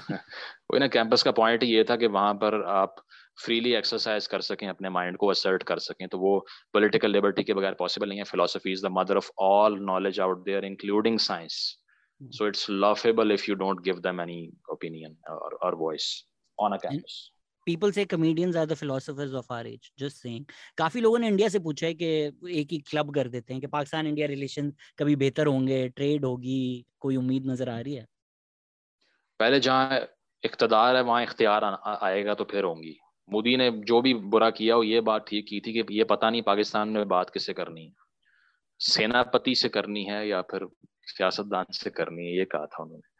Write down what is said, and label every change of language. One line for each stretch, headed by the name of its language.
Hindi: वही ना, कैंपस का पॉइंट ये था कि वहां पर आप फ्रीली एक्सरसाइज कर सकें, अपने माइंड को असर्ट कर सकें, तो वो पॉलिटिकल लिबर्टी के बगैर पॉसिबल नहीं है.
English: Philosophy is the mother of all knowledge out there including science, so it's laughable if you don't give them any opinion or voice on a campus. People say comedians are the philosophers of our age. Just saying.
Hindi: काफी लोगों ने India से पूछा है कि एक ही club कर देते हैं कि पाकिस्तान इंडिया रिलेशन कभी बेहतर होंगे, ट्रेड होगी, कोई उम्मीद नजर आ रही है. पहले जहाँ इख्तदार है वहाँ इख्तियार आएगा तो फिर होंगी. मोदी ने जो भी बुरा किया वो ये बात ठीक की थी कि ये पता नहीं पाकिस्तान में बात किसे करनी है, सेनापति से करनी है या फिर सियासतदान से करनी है, ये कहा था उन्होंने.